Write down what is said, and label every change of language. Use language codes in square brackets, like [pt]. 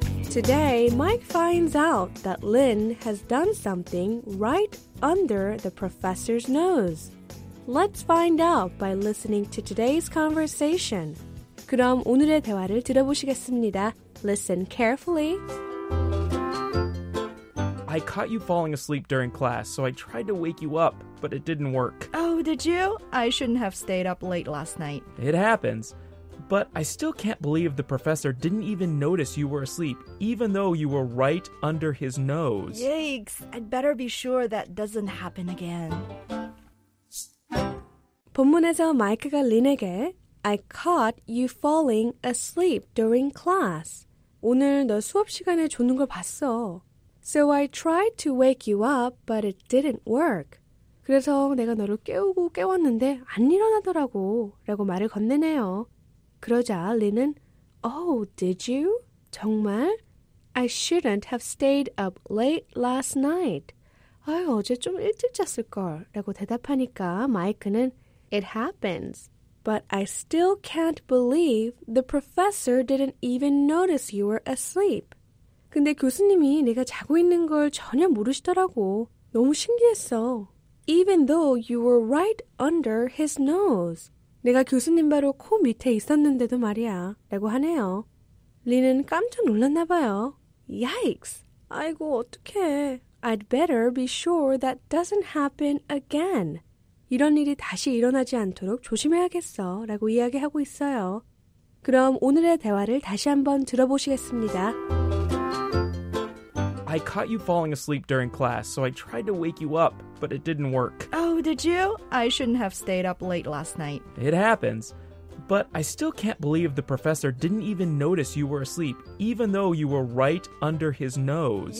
[en] Today, Mike finds out that Lynn has done something right under the professor's nose. Let's find out by listening to today's conversation. [ko] 그럼 오늘의 대화를 들어보시겠습니다. [en] Listen carefully. I caught you falling asleep during class, so I tried to wake you up, but it didn't work. Oh, did you? I shouldn't have stayed up late last night. It happens. But I still can't believe the professor didn't even notice you were asleep, even though you were right under his nose. Yikes! I'd better be sure that doesn't happen again. [ko] 본문에서 마이크가 린에게 [en] I caught you falling asleep during class. [ko] 오늘 너 수업 시간에 졸는 걸 봤어. [en] So I tried to wake you up, but it didn't work. [ko] 그래서 내가 너를 깨우고 깨웠는데 안 일어나더라고 라고 말을 건네네요. 그러자 린은 [en] Oh, did you? [ko] 정말? [en] I shouldn't have stayed up late last night. [ko] 아유, 어제 좀 일찍 잤을걸 라고 대답하니까 마이크는 [en] It happens. But I still can't believe the professor didn't even notice you were asleep. [ko] 근데 교수님이 내가 자고 있는 걸 전혀 모르시더라고. 너무 신기했어. [en] Even though you were right under his nose. [ko] 내가 교수님 바로 코 밑에 있었는데도 말이야 라고 하네요. 린은 깜짝 놀랐나 봐요. [en] Yikes! [ko] 아이고, 어떡해. [en] I'd better be sure that doesn't happen again. [ko] 이런 일이 다시 일어나지 않도록 조심해야겠어 라고 이야기하고 있어요. 그럼 오늘의 대화를 다시 한번 들어보시겠습니다. [en] I caught you falling asleep during class, so I tried to wake you up, but it didn't work. Oh, did you? I shouldn't have stayed up late last night. It happens. But I still can't believe the professor didn't even notice you were asleep, even though you were right under his nose.